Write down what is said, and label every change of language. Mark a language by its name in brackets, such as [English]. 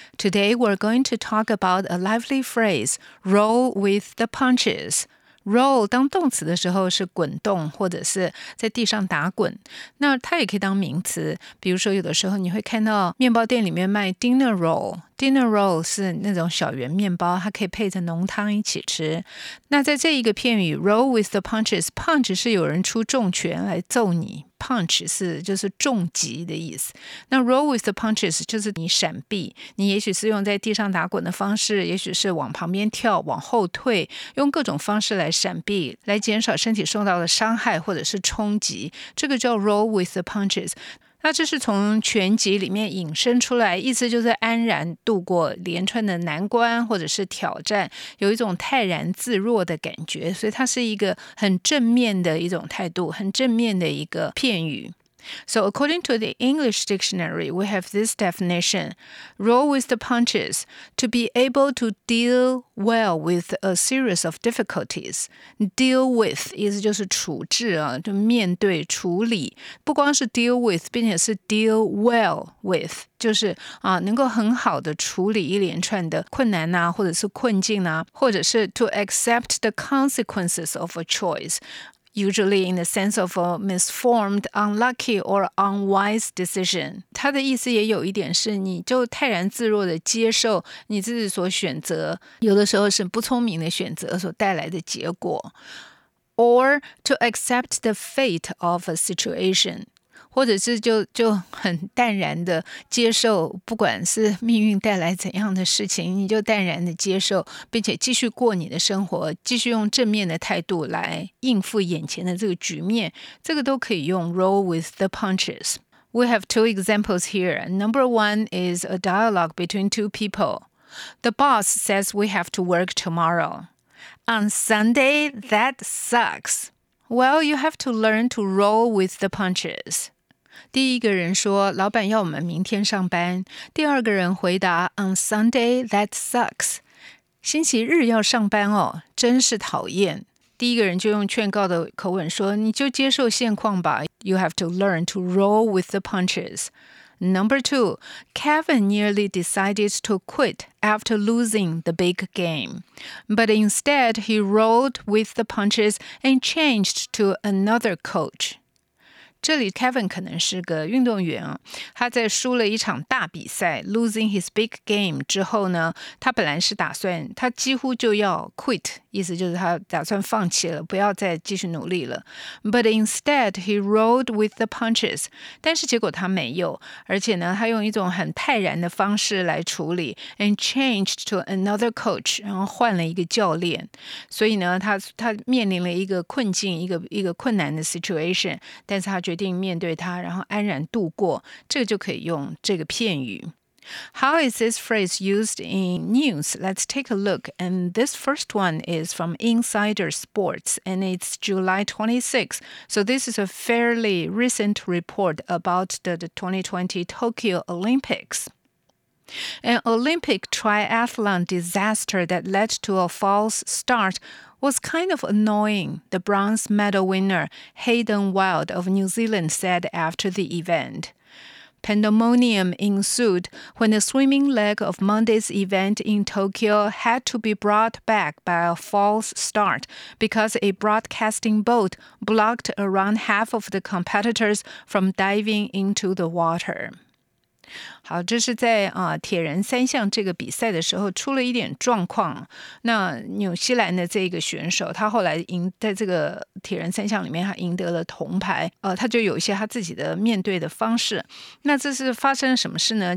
[English] Today, we're going to talk about a lively phrase, roll with the punches. [Chinese] Roll 当动词的时候是滚动或者是在地上打滚。那它也可以当名词。比如说有的时候你会看到面包店里面卖 dinner roll。 Dinner roll 是那种小圆面包，它可以配着浓汤一起吃。那在这一个片语 roll with the punches, punch 是有人出重拳来揍你。 Punch 是就是重击的意思。那 roll with the punches 就是你闪避，你也许是用在地上打滚的方式，也许是往旁边跳，往后退，用各种方式来闪避，来减少身体受到的伤害或者是冲击。这个叫 roll with the punches。那这是从拳击里面引申出来，意思就是安然度过连串的难关或者是挑战，有一种泰然自若的感觉，所以它是一个很正面的一种态度，很正面的一个片语。 [English] So according to the English dictionary, we have this definition, roll with the punches, to be able to deal well with a series of difficulties. [Chinese] Deal with, 意思就是处置啊，就面对处理。不光是 deal with, 并且是 deal well with, 就是啊，能够很好的处理一连串的困难啊，或者是困境啊，或者是 [English] to accept the consequences of a choice. Usually in the sense of a misformed, unlucky, or unwise decision. [Chinese] 它的意思也有一点是你就泰然自若地接受你自己所选择，有的时候是不聪明的选择所带来的结果。 [English] Or to accept the fate of a situation. [Chinese] 或者是就很淡然的接受，不管是命运带来怎样的事情，你就淡然的接受，并且继续过你的生活，继续用正面的态度来应付眼前的这个局面，这个都可以用 roll with the punches. [English] We have two examples here. Number one is a dialogue between two people. The boss says we have to work tomorrow. On Sunday, that sucks. Well, you have to learn to roll with the punches. [Chinese] 第一个人说老板要我们明天上班，第二个人回答 [English] On Sunday, that sucks. [Chinese] 星期日要上班哦，真是讨厌。第一个人就用劝告的口吻说你就接受现况吧。 [English] You have to learn to roll with the punches. Number two, Kevin nearly decided to quit after losing the big game. But instead, he rolled with the punches and changed to another coach. [Chinese] 这里 Kevin 可能是个运动员，他在输了一场大比赛 [English] losing his big game [Chinese] 之后呢，他本来是打算他几乎就要 quit， 意思就是他打算放弃了，不要再继续努力了。 [English] But instead he rolled with the punches， [Chinese] 但是结果他没有，而且呢他用一种很泰然的方式来处理 [English] and changed to another coach， [Chinese] 然后换了一个教练。所以呢 他面临了一个困境，一个困难的 situation， 但是他决定面对它，然后安然度过，这个就可以用这个片语。 [English] How is this phrase used in news? Let's take a look. And this first one is from Insider Sports, and it's July 26. So this is a fairly recent report about the 2020 Tokyo Olympics. An Olympic triathlon disaster that led to a false start was kind of annoying, the bronze medal winner Hayden Wild of New Zealand said after the event. Pandemonium ensued when the swimming leg of Monday's event in Tokyo had to be brought back by a false start because a broadcasting boat blocked around half of the competitors from diving into the water. [Chinese] 好，这是在铁人三项这个比赛的时候出了一点状况。那纽西兰的这个选手，他后来赢在这个铁人三项里面，他赢得了铜牌。他就有一些他自己的面对的方式。那这是发生什么事呢？